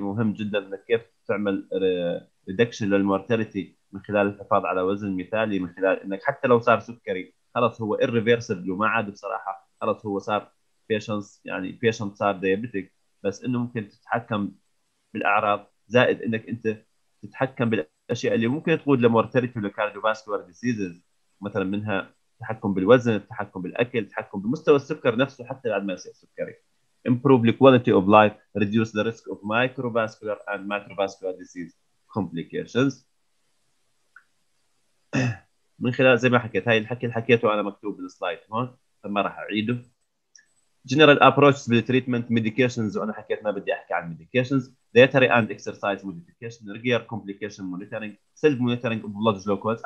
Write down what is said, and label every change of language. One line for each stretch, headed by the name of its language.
Arabic: مهم جدا انك كيف تعمل ريدكشن للمورتاليتي من خلال الحفاظ على وزن مثالي من خلال انك حتى لو صار سكري خلاص هو ريفرسبل وما عاد بصراحه خلاص هو صار بيشنس يعني بيشنت صار دايابيتك بس انه ممكن تتحكم بالاعراض زائد انك انت تتحكم بالاشياء اللي ممكن تقود لمورتاليتي والكارديوفاسكولار ديزيزز مثلا منها تحكم بالوزن، التحكم بالأكل، التحكم بمستوى السكر نفسه حتى بعد ما يصير سكري.
English: Improve the quality of life, reduce the risk of microvascular and macrovascular disease complications.
Arabic: من خلال زي ما حكيت هاي الحكي اللي حكيته أنا مكتوب بالسلايد هون فما راح أعيده.
English: General approaches to treatment medications
Arabic: وأنا حكيت ما بدي أحكي عن medications.
English: Dietary and exercise modification, regular complication monitoring, self monitoring of blood glucose.